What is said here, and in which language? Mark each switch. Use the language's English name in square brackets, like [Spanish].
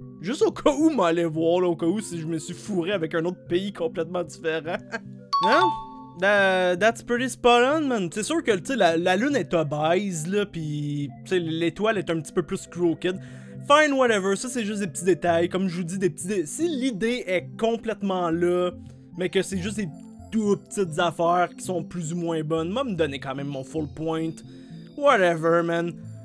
[French] Juste au cas où m'aller voir, là, au cas où si je me suis fourré avec un autre pays complètement différent. Hein? [English] That's pretty spot on, man. [French] C'est sûr que, tu sais, la lune est obèse, là, pis l'étoile est un petit peu plus crooked. [English] Fine, whatever, [French] ça c'est juste des petits détails, comme je vous dis, des petits détails. Si l'idée est complètement là, mais que c'est juste des tout petites affaires qui sont plus ou moins bonnes, moi me donner quand même mon full point. [English] Whatever, man.